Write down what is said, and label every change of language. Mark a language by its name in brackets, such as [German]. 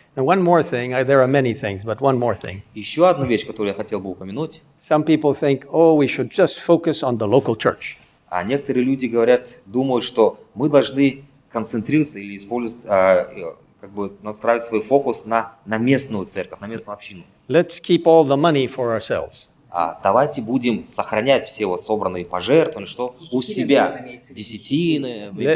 [English] Now one more thing, there are many things, but one more thing. [Russian] Еще одну вещь, которую я хотел бы упомянуть. [English] Some people think, oh, we should just focus on the local church. [Russian] А некоторые люди говорят, думают, что мы должны концентрироваться или использовать, как бы настраивать свой фокус на местную церковь, на местную общину. [English] Let's keep all the money for ourselves. [Russian] Давайте будем сохранять все вот собранные пожертвования, что десятины, у себя десятины.